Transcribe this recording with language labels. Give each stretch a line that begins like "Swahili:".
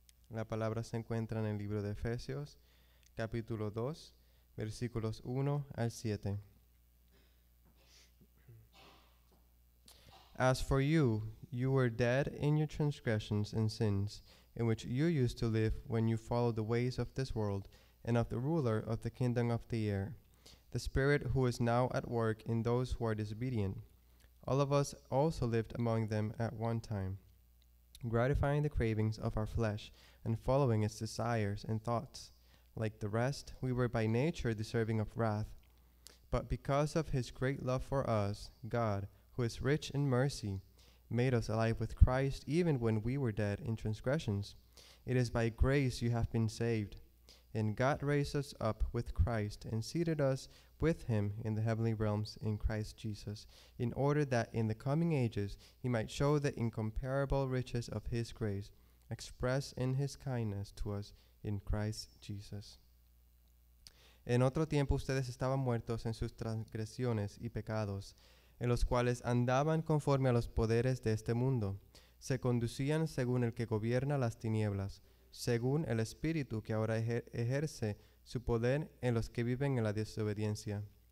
Spanish: La palabra se encuentra en el libro de Efesios, capítulo 2, versículos 1 al 7.
English: As for you, you were dead in your transgressions and sins, in which you used to live when you followed the ways of this world and of the ruler of the kingdom of the air, the spirit who is now at work in those who are disobedient. All of us also lived among them at one time, gratifying the cravings of our flesh and following its desires and thoughts. Like the rest, we were by nature deserving of wrath. But because of his great love for us, God, who is rich in mercy, made us alive with Christ even when we were dead in transgressions. It is by grace you have been saved. And God raised us up with Christ and seated us with him in the heavenly realms in Christ Jesus, in order that in the coming ages he might show the incomparable riches of his grace, expressed in his kindness to us in Christ Jesus.
Spanish: En otro tiempo ustedes estaban muertos en sus transgresiones y pecados, en los cuales andaban conforme a los poderes de este mundo. Se conducían según el que gobierna las tinieblas, según el espíritu que ahora ejerce su poder en los que viven en la desobediencia.